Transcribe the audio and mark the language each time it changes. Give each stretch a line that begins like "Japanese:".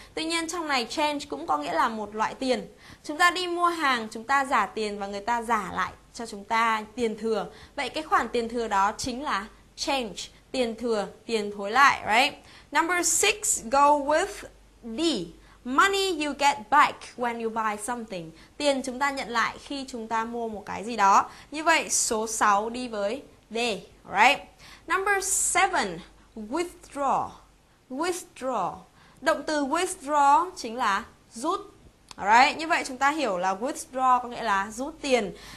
Vietnamese: Tuy nhiên trong này change cũng có nghĩa là một loại tiền. Chúng ta đi mua hàng, chúng ta giả tiền và người ta giả lại cho chúng ta tiền thừa. Vậy cái khoản tiền thừa đó chính là change, tiền thừa, tiền thối lại, right?
English: Number 6 go with D. Money you get back when you buy something.
Vietnamese: Tiền chúng ta nhận lại khi chúng ta mua một cái gì đó. Như vậy số 6 đi với they, right?
English: Number 7, withdraw. Withdraw.
Vietnamese: Động từ withdraw chính là rút. Alright, như vậy chúng ta hiểu là withdraw có nghĩa là rút tiền.